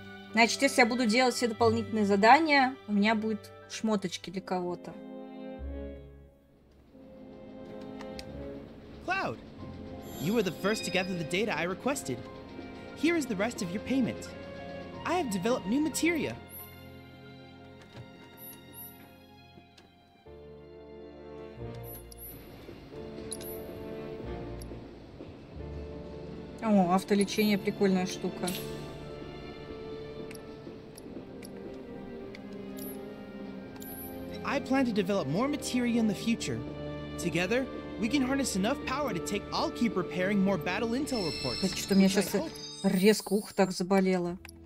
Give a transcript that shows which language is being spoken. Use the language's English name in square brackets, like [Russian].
[Russian] Значит, если я буду делать все дополнительные задания, у меня будет шмоточки для кого-то. [English] Cloud, you were the first to gather the data I requested. Here is the rest of your payment. I have developed new materia. [Russian] О, автолечение прикольная штука. [English] I plan to develop more materia in the future. Together, we can harness enough power to take. I'll keep repairing more battle intel reports. [Russian] Да что-то мне сейчас резко ух так заболело.